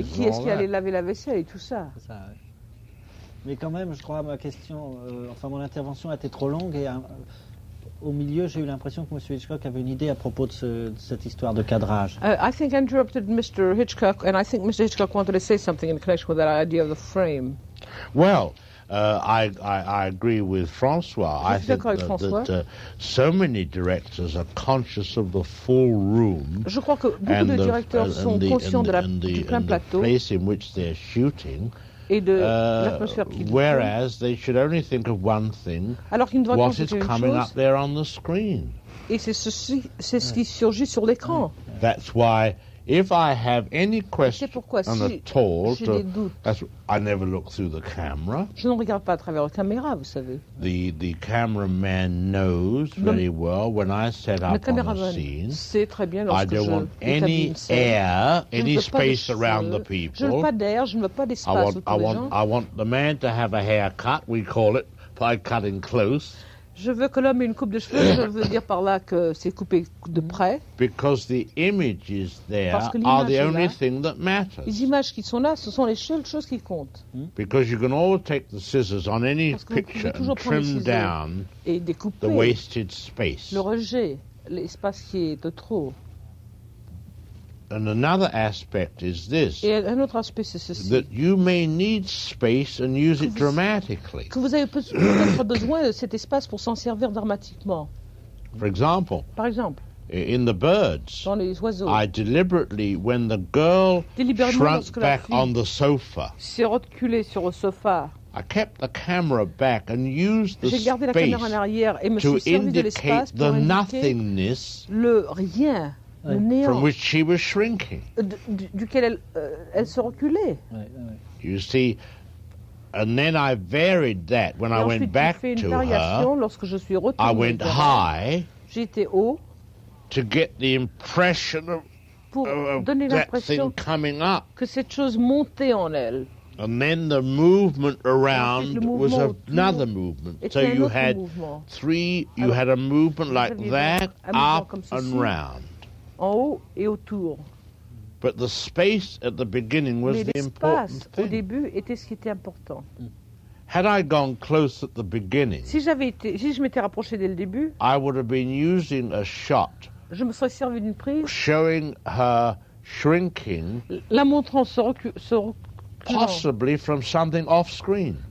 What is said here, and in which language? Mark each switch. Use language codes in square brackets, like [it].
[fr] Et qui est-ce qui allait laver la vaisselle et tout ça? Mais quand même, je crois ma question, mon intervention a été trop longue et au milieu, j'ai eu l'impression que Monsieur Hitchcock avait une idée à propos de cette histoire de cadrage. [en] I think I interrupted Mr. Hitchcock, and I think Mr. Hitchcock wanted to say something in connection with that idea of the frame. Well. I agree with François. I think that so many directors are conscious of the full room. [fr] Je crois que beaucoup de directeurs sont conscients de la du plein plateau. [en] And the place in which they're shooting. [fr] et de l'atmosphère qu'ils font. [en] Whereas they should only think of one thing, [fr] alors qu'ils ne devraient penser qu'une chose. [en] Up there on the screen. [fr] Et c'est ceci, c'est ce qui surgit sur l'écran. [en] That's why if I have any question at all, I never look through the camera. [fr] Je ne regarde pas à travers la caméra, vous savez. [en] The cameraman knows very well when I set up on a scene. [fr] Sait très bien lorsque je établis une scène. [en] I don't want any air, any space around the people. [fr] Je ne veux pas d'air, je ne veux pas d'espace autour des gens. [en] I want the man to have a haircut. We call it by cutting close. [fr] Je veux que l'homme ait une coupe de cheveux, je veux dire par là que c'est coupé de près. [en] Because the images there are the only thing that matters. [fr] Les images qui sont là, ce sont les seules choses qui comptent. [en] Because you can always take the scissors on any picture and trim down the wasted space. [fr] Le rejet, l'espace qui est de trop. [en] And another aspect is this. [fr] Et un autre aspect, c'est ceci. [en] That you may need space and use it dramatically. [fr] Que vous avez peut-être besoin de cet espace pour s'en servir dramatiquement. [en] For example. [fr] Par exemple. [en] In the birds. [fr] Dans les oiseaux. [en] I deliberately, when the girl shrunk back on the sofa. [fr] S'est reculée sur le sofa. [en] I kept the camera back and used the [fr] j'ai [en] space [fr] la en arrière et me [en] to [fr] suis [en] indicate [fr] de [en] the nothingness. [fr] Le rien. Oui. [en] From which she was shrinking. [fr] Duquel elle se reculait. [en] You see, and then I varied that when I went back to her. I went high. [fr] J'étais haut. [en] To get the impression of that thing coming up. [fr] Que cette chose montait en elle. [en] And then the movement around was another movement. So you had three. You had a movement like that, up and round. [fr] En haut et autour. [en] But the space at the beginning was the important thing. [fr] Mais l'espace au début était ce qui était important. [en] Had I gone close at the beginning, [fr] si je m'étais rapproché dès le début, [en] I would have been using a shot, [fr] je me serais servi d'une prise, [en] showing her shrinking, [fr] la montrant se reculant, [en] possibly from something off screen,